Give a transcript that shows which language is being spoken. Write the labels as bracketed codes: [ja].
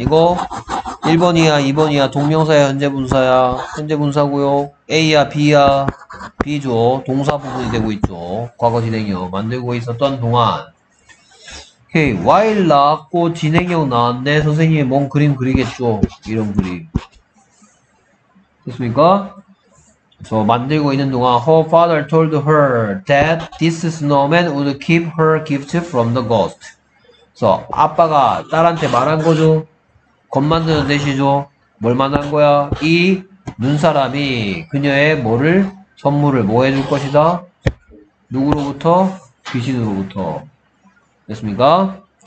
[ko] 이거 1번이야, 2번이야, 동명사야, 현재 분사야, 현재 분사고요. A야, B야, B죠. 동사 부분이 되고 있죠. 과거 진행형 만들고 있었던 동안. 오케이. while 나왔고 진행형 나왔네. 선생님이 뭔 그림 그리겠죠? 이런 그림. 됐습니까? 저 만들고 있는 동안 [en] her father told her that this snowman would keep her gift from the ghost. [ko] 그래서 아빠가 딸한테 말한 거죠. 겁 만드는 대시죠. 뭘 만난 거야? 이 눈사람이 그녀의 뭐를 선물을 뭐 해줄 것이다? 누구로부터? 귀신으로부터. 됐습니까?